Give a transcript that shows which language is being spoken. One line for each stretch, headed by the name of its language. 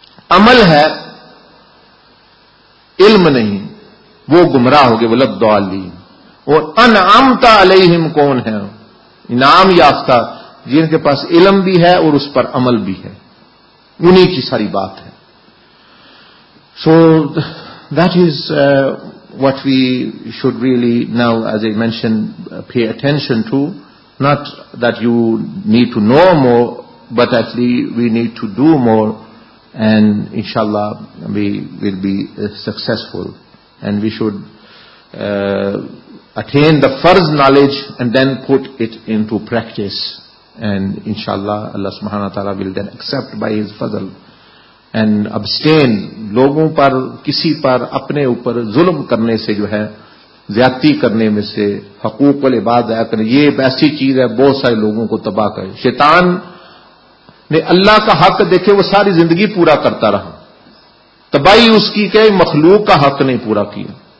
Urdu: عمل ہے علم نہیں وہ گمراہ ہوگے ولد دعالین اور انعمت علیہم کون ہیں انعام یافتہ جن کے پاس علم بھی ہے اور اس پر عمل بھی ہے انہی کی ساری بات ہے
English: So that is what we should really now, as I mentioned, pay attention to. Not that you need to know more, but actually we need to do more and inshallah we will be successful. And we should attain the farz knowledge and then put it into practice. And inshallah Allah subhanahu wa ta'ala will then accept by His fadl. And abstain
Urdu: لوگوں پر کسی پر اپنے اوپر ظلم کرنے سے جو ہے زیادتی کرنے میں سے حقوق العباد ادا کرنے یہ ایسی چیز ہے بہت سارے لوگوں کو تباہ کرے شیطان نے اللہ کا حق دیکھے وہ ساری زندگی پورا کرتا رہا تباہی اس کی کہ مخلوق کا حق نہیں پورا کیا